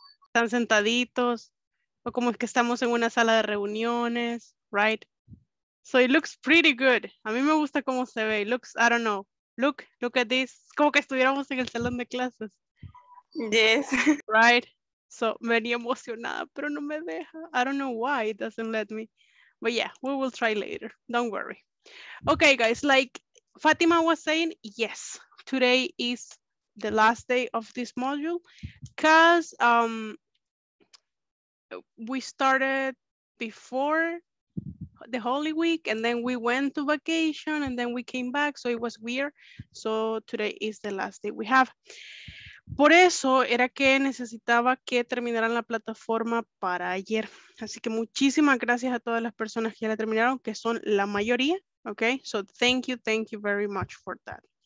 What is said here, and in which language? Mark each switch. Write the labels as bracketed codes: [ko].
[es] Están sentaditos. O como es que estamos en una sala de reuniones. [en] Right? So, it looks pretty good. [es] A mí me gusta cómo se ve. [en] It looks, I don't know. Look at this. [es] Como que estuviéramos en el salón de clases. [en] Yes. [es] Right. So, venía emocionada, pero no me deja. [en] I don't know why it doesn't let me. But yeah, we will try later. Don't worry. Okay, guys, like Fatima was saying, yes, today is the last day of this module because we started before the Holy Week and then we went to vacation and then we came back. So it was weird. So today is the last day we have. [es] Por eso era que necesitaba que terminaran la plataforma para ayer. Así que muchísimas gracias a todas las personas que ya la terminaron, que son la mayoría. [en] Ok, so thank you very much for that.